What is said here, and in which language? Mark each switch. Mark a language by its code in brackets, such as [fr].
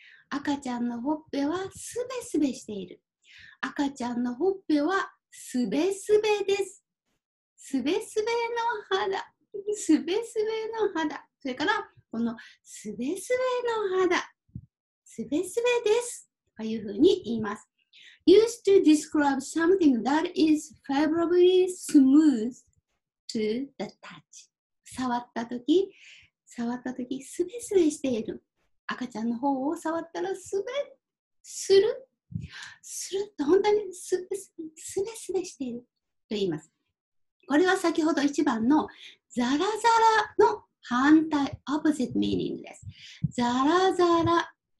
[ja] 赤ちゃんのほっぺは、スベスベしている。赤ちゃんのほっぺはすべすべです。すべすべの肌。すべすべの肌。それから、このすべすべの肌。すべすべです。というふうに言います。 [en] used to describe something that is favorably smooth to the touch。 [ja] 触ったとき、すべすべしている。赤ちゃんの方を触ったらすべする。すると本当にすべすべしていると言います。これは先ほど1番のザラザラの反対、 opposite meaning です。ザラザラ。